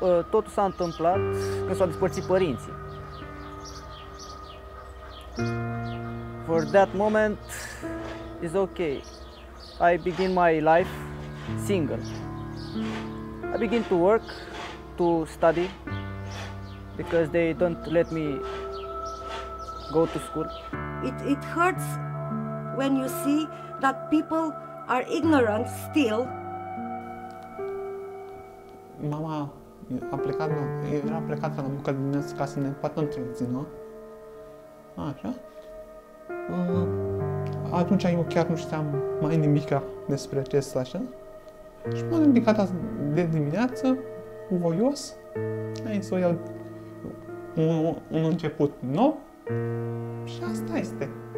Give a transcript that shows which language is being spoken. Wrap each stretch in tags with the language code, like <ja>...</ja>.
<ro>Totul s-a întâmplat când s-au despărțit părinții.</ro> <en>For that moment is okay. I begin my life single. I begin to work, to study, because they don't let me go to school. It hurts when you see that people are ignorant still.</en> <ro>Mama a plecat, era plecată la muncă dimineața ca să ne poată întrezi, nu? Așa. Atunci eu chiar nu știam mai nimic despre acest așa. Și m-am ridicat de dimineață, voios, hai să o iau un început nou și asta este.</ro>